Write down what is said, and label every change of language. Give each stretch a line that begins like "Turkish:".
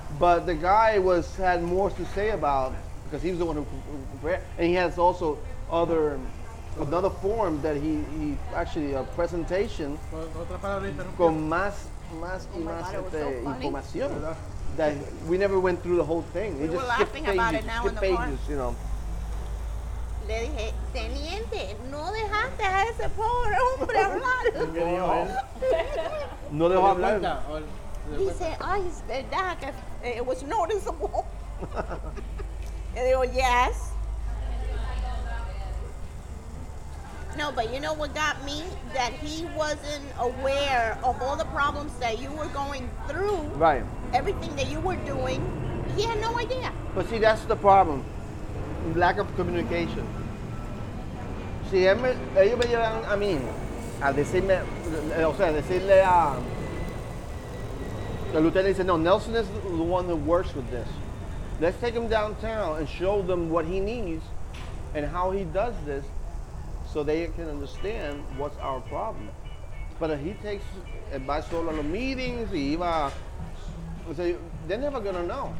English: But the guy had more to say about, because he was the one who prepared, and he has also another form that he actually a presentation
Spanish: con más información.
English: That we never went through the whole thing. We just were laughing pages, about it now in the pages, car. You know.
Spanish: Le dije, teniente, no dejaste a ese pobre hombre hablar. No dejó hablar.
English: He said,
Spanish: ay, es verdad que
English: it was noticeable.
Spanish: Y digo,
English: yes. No, but you know what got me? That he wasn't aware of all the problems that you were going through. Right. Everything that you were doing. He had no idea. But see, that's the problem. Lack of communication.
Spanish: Si ellos me llevan a mí a decirme, o sea, decirle a...
English: The lieutenant said, no, Nelson is the one who works with this. Let's take him downtown and show them what he needs and how he does this so they can understand what's our problem. But he takes advice to all of the meetings, he
Spanish: iba,
English: so they're never going to know.